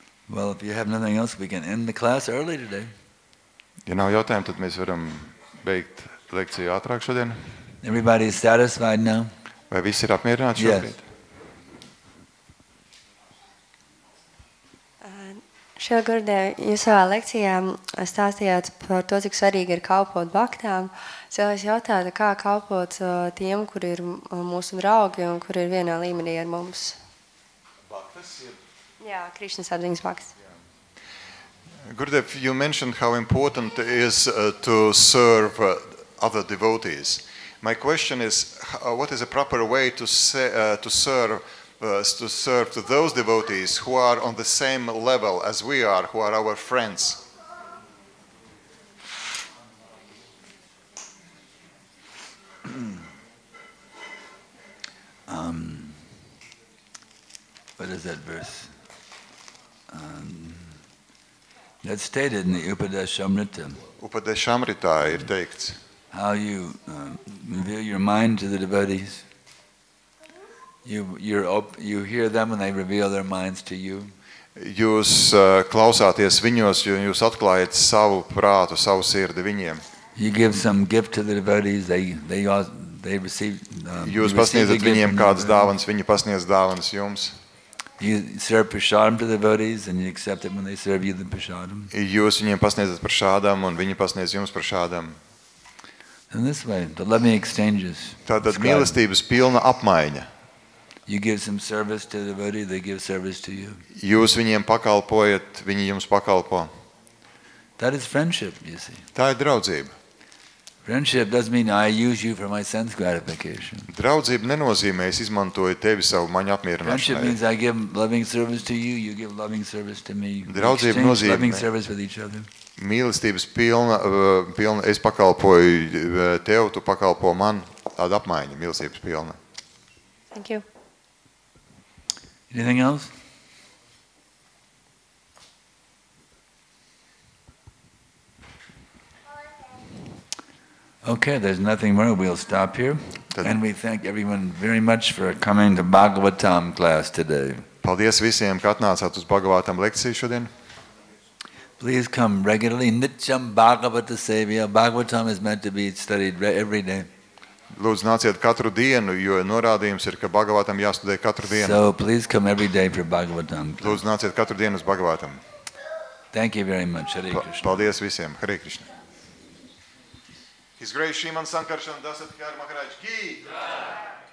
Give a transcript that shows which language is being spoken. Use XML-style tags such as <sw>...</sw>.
<en>Well, if you have nothing else, we can end the class early today.</en> <lv>Ja nav jautājumu, tad mēs varam beigt lekciju ātrāk šodien.</lv> <en>Everybody is satisfied now?</en> <lv>Vai visi ir apmierināti šobrīd?</lv> <en>Yes.</en> <lv>Šo gurdē, jūs savā lekcijā stāstījāt par to, cik svarīgi ir kalpot baktām. Es jautātu, kā kalpot tiem, kuri ir mūsu draugi un kuri ir vienā līmenī ar mums? Baktas ir? Jā, Krišnas atziņas baktas.</lv> <en>Gurudev, you mentioned how important it is to serve other devotees. My question is, what is a proper way to serve to those devotees who are on the same level as we are, who are our friends? What is that verse? That's stated in the Upadeshamrita.</en> <lv>Upadeshamrita ir teikts.</lv> <en>How you reveal your mind to the devotees. You hear them and they reveal their minds to you.</en> <lv>Jūs klausāties viņos, jo jūs atklājat savu prātu, savu sirdi viņiem.</lv> <en>You give some gift to the devotees. They receive</en> <lv>jūs pasniedzat viņiem kādas dāvanas, viņi pasniedz dāvanas jums.</lv> <en>You serve prasādam to the devotees and you accept it when they serve you the prasādam.</en> <lv>Jūs viņiem pasniedzat prasādam un viņi pasniedz jums prasādam.</lv> <en>In this way, the loving exchanges.</en> <lv>Tātad mīlestības pilna apmaiņa.</lv> <en>You give some service to the devotee, they give service to you.</en> <lv>Jūs viņiem pakalpojat, viņi jums pakalpo.</lv> <en>That is friendship, you see.</en> <lv>Tā ir draudzība.</lv> <en>Friendship doesn't mean I use you for my sense gratification.</en> <lv>Draudzība nenozīmē, es izmantoju tevi savu maņu apmierināšanai.</lv> <en>Friendship means I give loving service to you, you give loving service to me.</en> <lv>Draudzība nozīmē</lv> <en>loving service with each other.</en> <lv>Mīlestības pilna, es pakalpoju tev, tu pakalpo man, tāda apmaiņa, mīlestības pilna.</lv> <en>Thank you. Anything else? Okay, there's nothing more. We'll stop here. And we thank everyone very much for coming to Bhagavatam class today.</en> <lv>Paldies visiem, ka atnācāt uz Bhagavatam lekciju šodien.</lv> <en>Please come regularly. Nityam Bhagavata Sevya. Bhagavatam is meant to be studied every day.</en> <lv>Lūdzu, nāciet katru dienu, jo norādījums ir, ka Bhagavatam jāstudē katru dienu.</lv> <en>So please come every day for Bhagavatam.</en> <lv>Lūdzu, nāciet katru dienu uz Bhagavatam.</lv> <en>Thank you very much. Hare Krishna.</en> <lv>Paldies visiem. Hare Krishna. Izgrējuši Šīmana Sankaršana, Dasat Kāra Maharāja, Gī! Jā!</lv>